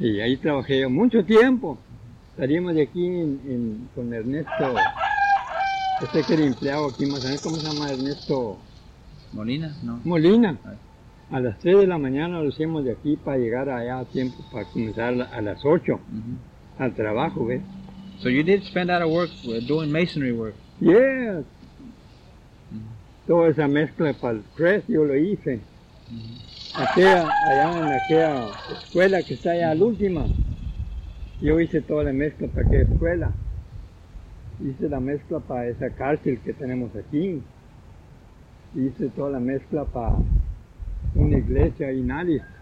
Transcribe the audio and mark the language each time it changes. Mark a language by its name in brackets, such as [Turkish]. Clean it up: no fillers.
[Spanish] Sí, ahí trabajé yo mucho tiempo. Salimos de aquí con Ernesto. Este que era empleado aquí más o menos. ¿Cómo se llama Ernesto? Molina, ¿no? Molina. A las 3 de la mañana lo hacíamos de aquí para llegar allá a tiempo, para comenzar a las 8, mm-hmm, al trabajo, ¿ves? [English] So you did spend out of work doing masonry work? Yes. Mm-hmm. [Spanish] Toda esa mezcla para el press yo lo hice. Mm-hmm. Allá en aquella escuela que está allá, mm-hmm, la última, yo hice toda la mezcla para aquella escuela. Hice la mezcla para esa cárcel que tenemos aquí. Hice toda la mezcla para una iglesia y nadie.